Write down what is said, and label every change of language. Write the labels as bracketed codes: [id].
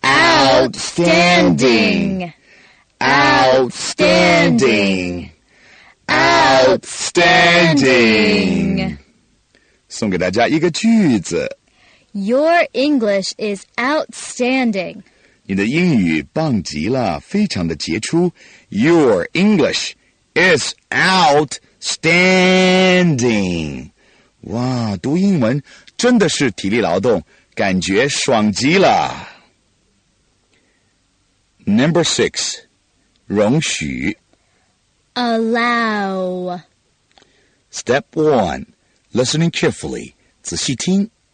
[en] Outstanding. Outstanding. Outstanding. [zh] 送给大家一个句子 [en] Your English is outstanding. [zh] 你的英语棒极了，非常的杰出 [en] Your English is outstanding. [zh] 哇，读英文真的是体力劳动，感觉爽极了。 [en] Number six, [zh] 容许。 [en] Allow. Step one, listening carefully, [zh] 仔细听。